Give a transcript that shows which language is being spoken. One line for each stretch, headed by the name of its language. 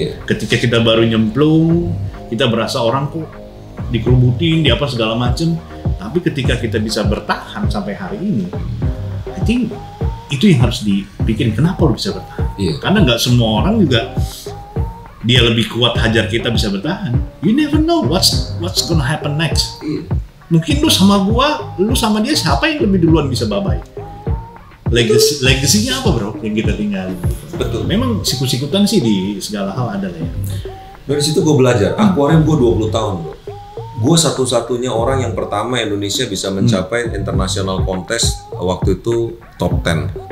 Indonesian: Ketika kita baru nyemplung, kita berasa orang kok dikerubutin, di apa segala macem. Tapi ketika kita bisa bertahan sampai hari ini,
English: I think
Indonesian: itu yang harus dipikirin, kenapa lu bisa bertahan. Karena gak semua orang juga dia lebih kuat hajar kita bisa bertahan.
English: You never know what's gonna happen next.
Indonesian: Mungkin lu sama gua, lu sama dia, siapa yang lebih duluan bisa bye-bye? Legacy-nya apa, Bro? Yang kita tinggalin. Betul. Memang sikut-sikutan sih di segala hal ada lah ya. Dari situ gue belajar, akuarium gue 20 tahun bro. Gue satu-satunya orang yang pertama Indonesia bisa mencapai international contest waktu itu top 10.